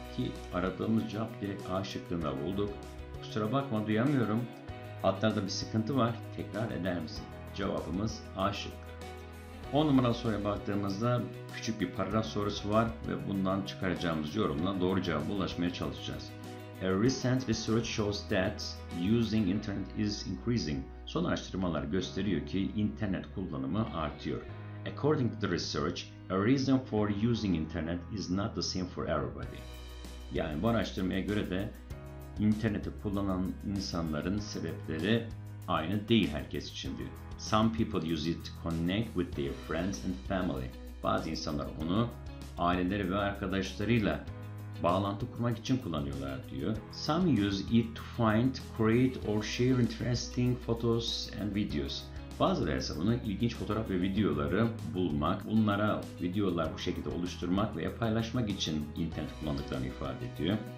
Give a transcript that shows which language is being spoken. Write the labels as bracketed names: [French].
[Turkish] Ki aradığımız cevap direkt A şıkkında bulduk. Kusura bakma duyamıyorum. Hatlarda bir sıkıntı var. Tekrar eder misin? Cevabımız A şıkkı. 10 numaralı soruya baktığımızda küçük bir paragraf sorusu var ve bundan çıkaracağımız yorumla doğru cevaba ulaşmaya çalışacağız. [English] A recent research shows that using internet is increasing. [Turkish] Son araştırmalar gösteriyor ki internet kullanımı artıyor. [English] According to the research, a reason for using internet is not the same for everybody. [Turkish] Yani bu araştırmaya göre de interneti kullanan insanların sebepleri aynı değil herkes için diyor. [English] Some people use it to connect with their friends and family. [Turkish] Bazı insanlar onu aileleri ve arkadaşlarıyla bağlantı kurmak için kullanıyorlar diyor. [English] Some use it to find, create or share interesting photos and videos. [Turkish] Bazıları ise bunu ilginç fotoğraf ve videoları bulmak, bunlara videolar bu şekilde oluşturmak veya paylaşmak için internet kullandıklarını ifade ediyor.